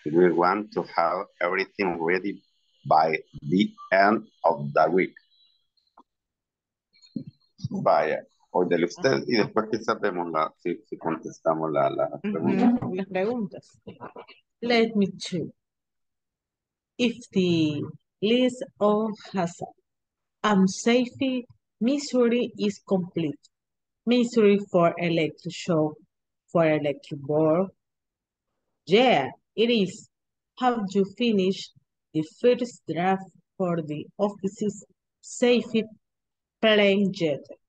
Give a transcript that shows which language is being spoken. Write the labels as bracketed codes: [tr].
[en] We want to have everything ready by the end of the week. [es] Vaya, ordele usted y después quizás vemos la, si, si contestamos la, la pregunta. Las preguntas. [en] Let me check. If the list of hazards and safety measure is complete, measure for electric shock, for electric board. Yeah, it is. Have you finished the first draft for the office's safety plan yet?